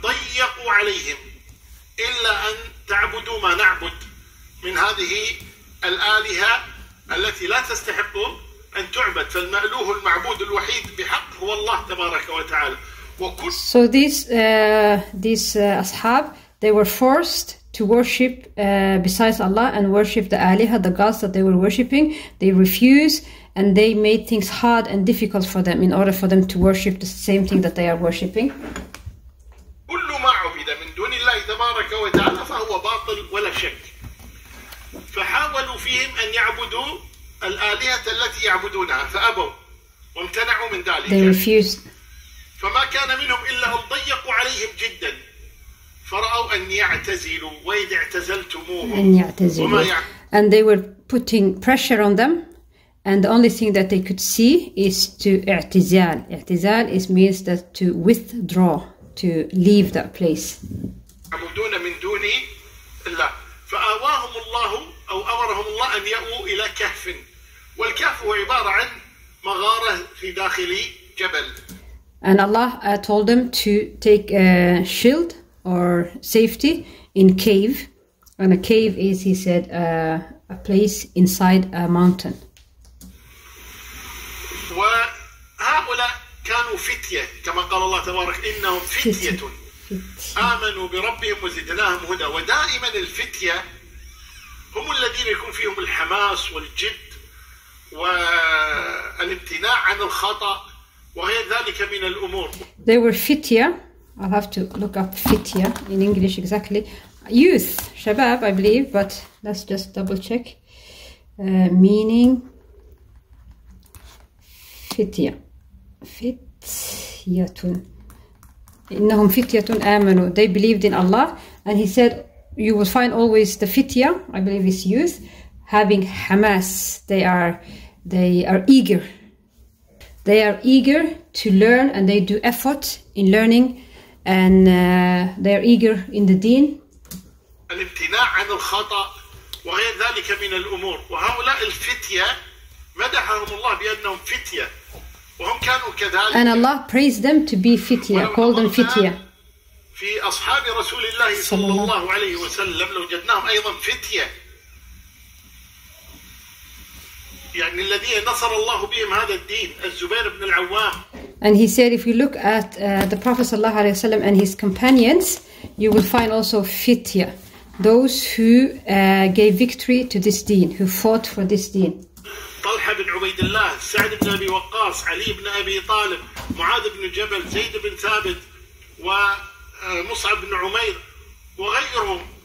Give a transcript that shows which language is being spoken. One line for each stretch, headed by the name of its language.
Arabic: إلا أن تعبدوا ما نعبد من هذه الآلهة التي لا تستحق أن تعبد فالمألوه المعبود الوحيد بحق هو الله تبارك وتعالى.
English: So these ashab, they were forced to worship besides Allah and worship the aliha, the gods that they were worshiping. They refused, and they made things hard and difficult for them in order for them to worship the same thing that they are worshiping.
Arabic: كل ما عبد من دون الله تبارك وتعالى فهو باطل ولا شك. فحاولوا فيهم أن يعبدوا الآلهة التي يعبدونها فأبوا وامتنعوا من ذلك.
English: They refused.
Arabic: فما كان منهم إلا أن ضيقوا عليهم جدا فرأوا أن يعتزلوا وإذ اعتزلتموهم أن يعتزلوا.
English: And they were putting pressure on them. And the only thing that they could see is to i'tizal. I'tizal means that to withdraw. to leave that place.
Arabic: يعبدون من دوني الله. فأواهم الله أو أمرهم الله أن يأووا إلى كهف. والكهف هو عبارة عن مغارة في داخل جبل.
English: And Allah told them to take a shield or safety in cave. And a cave is, he said, a place inside a mountain.
Arabic: وهؤلاء كانوا فتية كما قال الله تبارك إنهم فتية آمنوا بربهم وزدناهم هدى. ودائما الفتية هم الذين يكون فيهم الحماس والجد والامتناع عن الخطأ وغير ذلك من الأمور.
English: They were fitya. I'll have to look up fitya in English exactly. Youth, shabab, I believe, but let's just double check. Meaning fitya.
Arabic: Fityatun. إنهم فتية آمنوا.
English: They believed in Allah. And he said, you will find always the fitya, I believe it's youth, having hamas. They are eager. They are eager to learn and they do effort in learning and they are eager in the deen.
Arabic: الامتناع عن الخطأ وغير ذلك من الأمور. وهؤلاء الفتية مدحهم الله بأنهم فتية. وهم كانوا كذلك.
English: And Allah praised them to be fitya, called them fitya.
Arabic: في أصحاب رسول الله صلى الله عليه وسلم لوجدناهم أيضا فتية. يعني الذين نصر الله بهم هذا الدين الزبير بن العوام.
English: And he said, if you look at the Prophet sallallahu alaihi wasallam and his companions, you will find also fitya, those who gave victory to this deen, who fought for this deen.
Arabic: طلحة بن عبيد الله, سعد بن أبي وقاص, علي بن أبي طالب, معاذ بن جبل, زيد بن ثابت, ومصعب بن عمير وغيرهم.